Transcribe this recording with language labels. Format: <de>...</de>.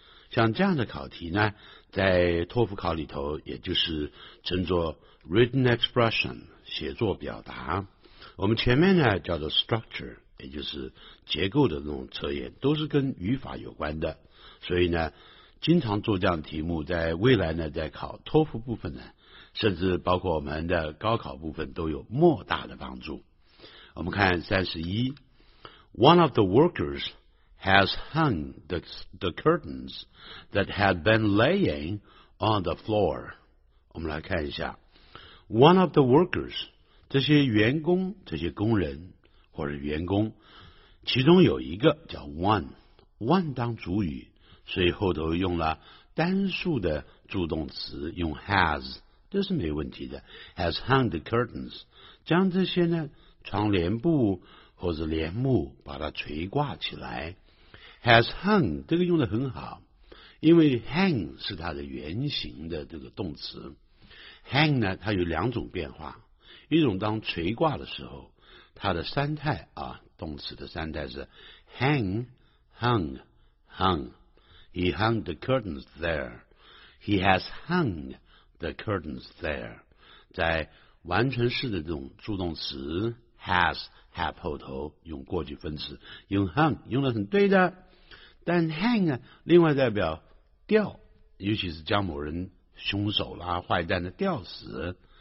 <zh>像这样的考题呢，在托福考里头也就是称作</zh> <en>written expression</en> <zh>写作表达，我们前面呢叫做 structure 也就是结构的那种测验，都是跟语法有关的，所以呢经常做这样的题目，在未来呢在考托福部分呢，甚至包括我们的高考部分都有莫大的帮助。我们看31，</zh> <en>One of the workers has hung the curtains that had been laying on the floor。</en> <zh>我们来看一下</zh> <en>One of the workers，</en> <zh>这些员工，这些工人或者员工，其中有一个叫 one 当主语，所以后头用了单数的助动词，用 has， 这是没问题的。</zh> <en>has hung the curtains，</en> <zh>将这些呢窗帘布或者帘幕把它垂挂起来。</zh> <en>has hung</en> <zh>这个用得很好，因为 hang 是它的原型的这个动词。 hang 呢它有两种变化，一种当垂挂的时候，它的三态啊，动词的三态是</zh> <en>hang hung hung。 He hung the curtains there. He has hung the curtains there.</en> <zh>在完成式的这种助动词 has have 后头用过去分词，用 hung 用的很对的。但 hang 啊，另外代表吊，尤其是将某人凶手啦、坏蛋的吊死。</zh>